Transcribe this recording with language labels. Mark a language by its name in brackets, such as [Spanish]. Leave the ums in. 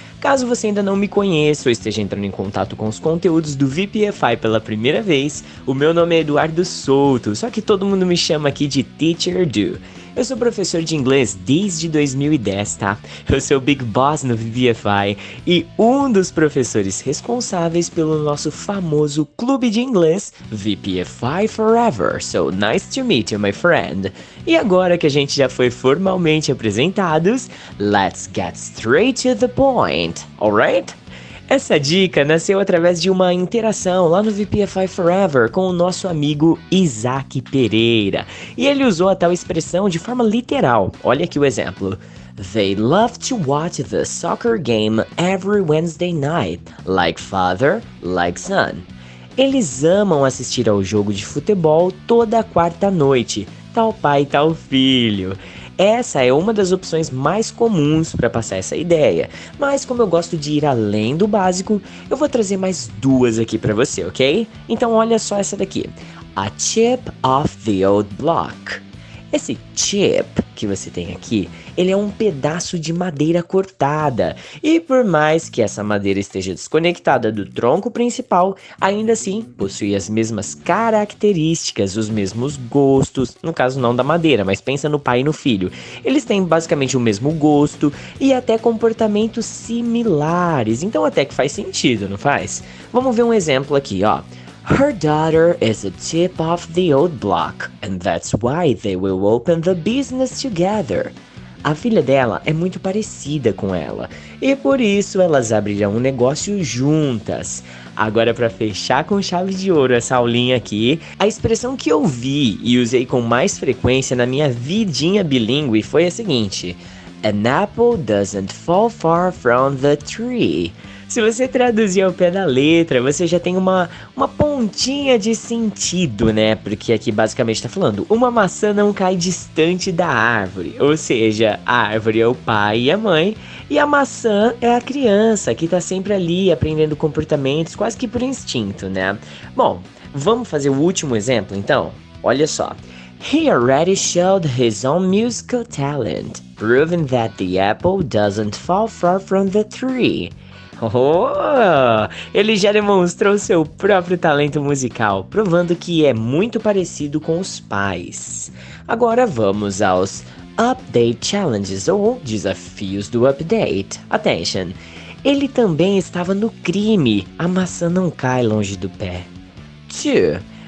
[Portuguese] Caso você ainda não me conheça ou esteja entrando em contato com os conteúdos do VPFI pela primeira vez, o meu nome é Eduardo Souto, só que todo mundo me chama aqui de Teacher Do. Eu sou professor de inglês desde 2010, tá? Eu sou o Big Boss no VFI e um dos professores responsáveis pelo nosso famoso clube de inglês, VPFI Forever. [English] So nice to meet you, my friend. [Portuguese] E agora que a gente já foi formalmente apresentados, [English] let's get straight to the point, alright? [Portuguese] Essa dica nasceu através de uma interação lá no VPFI Forever com o nosso amigo Isaac Pereira. E ele usou a tal expressão de forma literal. Olha aqui o exemplo. [English] They love to watch the soccer game every Wednesday night, like father, like son. [Portuguese] Eles amam assistir ao jogo de futebol toda quarta-noite, tal pai, tal filho. Essa é uma das opções mais comuns para passar essa ideia. Mas como eu gosto de ir além do básico, eu vou trazer mais duas aqui para você, ok? Então olha só essa daqui. [English] A chip off the old block. [Portuguese] Esse chip que você tem aqui, ele é um pedaço de madeira cortada. E por mais que essa madeira esteja desconectada do tronco principal, ainda assim possui as mesmas características, os mesmos gostos. No caso, não da madeira, mas pensa no pai e no filho. Eles têm basicamente o mesmo gosto e até comportamentos similares. Então, até que faz sentido, não faz? Vamos ver um exemplo aqui, ó. [English] Her daughter is a tip off the old block, and that's why they will open the business together. [Portuguese] A filha dela é muito parecida com ela, e por isso elas abrirão um negócio juntas. Agora, para fechar com chave de ouro essa aulinha aqui, a expressão que eu vi e usei com mais frequência na minha vidinha bilíngue foi a seguinte: [English] An apple doesn't fall far from the tree. [Portuguese] Se você traduzir ao pé da letra, você já tem uma, uma pontinha de sentido, né? Porque aqui basicamente está falando: uma maçã não cai distante da árvore. Ou seja, a árvore é o pai e a mãe, e a maçã é a criança que está sempre ali aprendendo comportamentos, quase que por instinto, né? Bom, vamos fazer o último exemplo então? Olha só. [English] He already showed his own musical talent, proving that the apple doesn't fall far from the tree. [Portuguese] Oh, ele já demonstrou seu próprio talento musical, provando que é muito parecido com os pais. Agora vamos aos Update Challenges ou Desafios do Update. [English] Attention! [Portuguese] Ele também estava no crime, a maçã não cai longe do pé. [English] Two.